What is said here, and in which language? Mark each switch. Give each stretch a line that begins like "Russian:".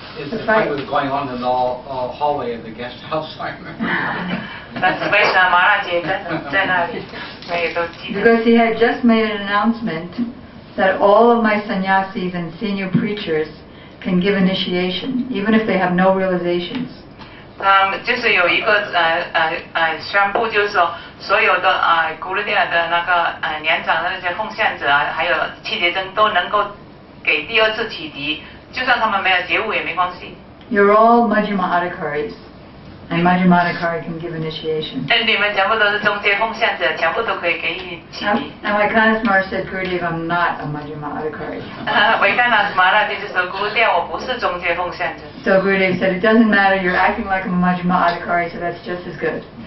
English: The fight was going on in the hallway of the guest house, I remember. Because he had just made an announcement that all of my sannyasis and senior preachers can give initiation, even if they have no realizations.
Chinese: 就是有一个宣布，就是说所有的Gurudev的那个年长的那些奉献者啊，还有契弟僧都能够给第二次启迪，就算他们没有觉悟也没关系。
English: You're all Majjhima Adhikaris. And Majjhima Adhikari can give initiation. Now, Vaikanta Smara said, Gurudev, I'm not a Majjhima Adhikari. So Gurudev said, it doesn't matter, you're acting like a Majjhima Adhikari, so that's just as good.